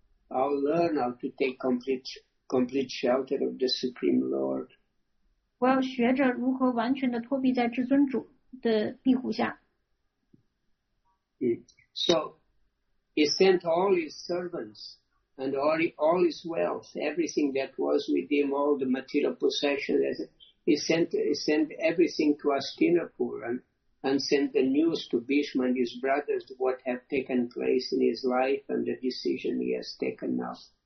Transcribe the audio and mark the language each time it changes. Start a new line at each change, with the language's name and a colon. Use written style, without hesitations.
English: I'll learn how to take complete shelter of the Supreme Lord.
Chinese: 我要学着如何完全的托庇在至尊主的庇护下。
English: So he sent all his servants and all his wealth, everything that was with him, all the material possessions. He sent everything to Hastinapur and sent the news to Bhishma and his brothers what had taken place in his life and the decision he has taken now.